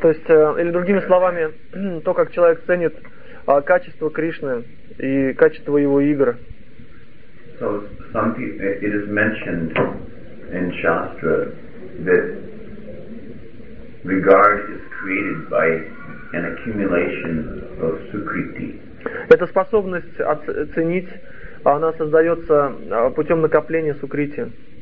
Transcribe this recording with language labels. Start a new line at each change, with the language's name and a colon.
Russian: То есть, или другими словами, то, как человек ценит качество Кришны и качество его игр.
English: So some people, it is mentioned in Shastra that regard is created by an accumulation of sukriti.
Russian: Эта способность оценить, она создается путем накопления сукрити.